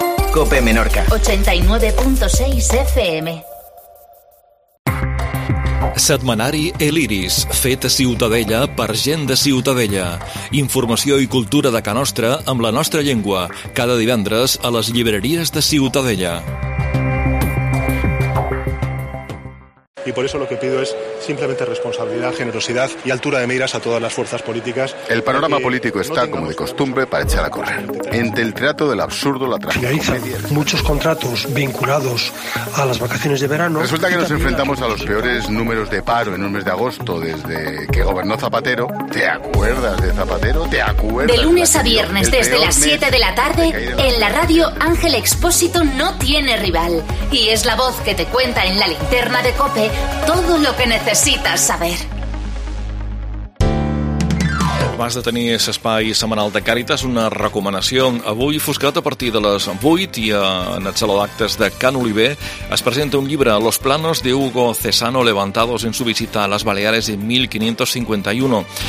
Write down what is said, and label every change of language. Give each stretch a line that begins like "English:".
Catalan: COPE Menorca. 89.6 FM. Setmanari El Iris, fet a Ciutadella per gent de Ciutadella. Informació i cultura de Can Nostre amb la nostra llengua, cada divendres a les llibreries de Ciutadella.
Spanish: Y por eso lo que pido es simplemente responsabilidad, generosidad y altura de miras a todas las fuerzas políticas. El panorama político está, como de costumbre, para echar a correr. Entre el teatro del absurdo, la tragicomedia... Muchos contratos vinculados a las vacaciones de verano... Resulta que nos enfrentamos a los peores números de paro en un mes de agosto desde que gobernó Zapatero. ¿Te acuerdas de Zapatero? ¿Te acuerdas? De lunes a viernes, desde las 7 de la tarde, en la radio Ángel Expósito no tiene rival. Y es la voz que te cuenta en la linterna de COPE todo lo que necesitas saber.
Catalan: Vas de tenir l'espai setmanal de Càritas, una recomanació. Avui, foscat a partir de les 8 i en el saló d'actes de Can Oliver, es presenta un llibre,
Spanish: Los planos de Hugo Cesano levantados en su visita a las Baleares de 1551.